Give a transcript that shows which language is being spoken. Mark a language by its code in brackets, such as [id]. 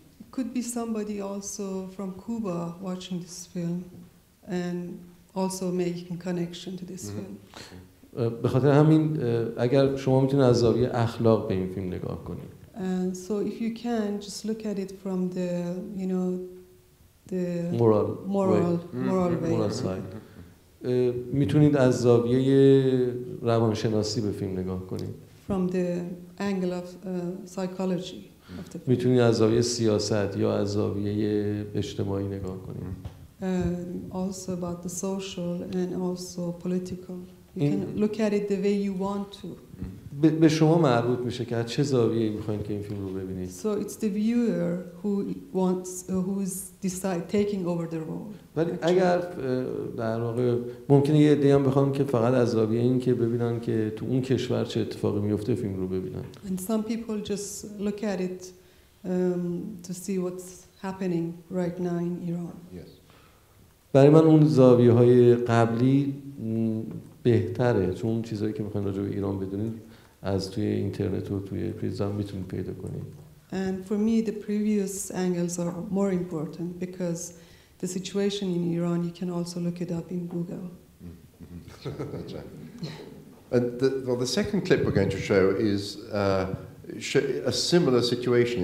[en] Could be somebody also from Cuba watching this film and also making connection to this film. [fa] به خاطر همین اگر شما میتونید از زاویه اخلاق به این فیلم نگاه کنید. [en] And so if you can just look at it from the the moral way. Moral side. [fa] میتونید از زاویه روانشناسی به فیلم نگاه کنید. [en] From the angle of psychology. [fa] میتونید از زاویه سیاست یا از زاویه اجتماعی نگاه کنید. [en] Also about the social and also political. You can look at it the way you want to. [fa] به شما مربوط میشه که از چه زاویه میخواین که این فیلم رو ببینید. [en] So it's the viewer who wants who's decide taking over the role. [fa] ولی اگر در واقع ممکنه یه عده‌ای هم بخوام که فقط از زاویه این که ببینن که تو اون کشور چه اتفاقی میفته فیلم رو ببینن. [en] And some people just look at it to see what's happening right now in Iran. Yes. [fa] برای من اون زاویه های قبلی بهتره، چون اون چیزایی که میخواین راجع به ایران بدونید از توی اینترنت و توی پریزم میتونید پیدا کنید. [en] And for me the previous angles are more important because the situation in Iran, you can also look it up in Google. And the second clip we're going to show is a similar situation.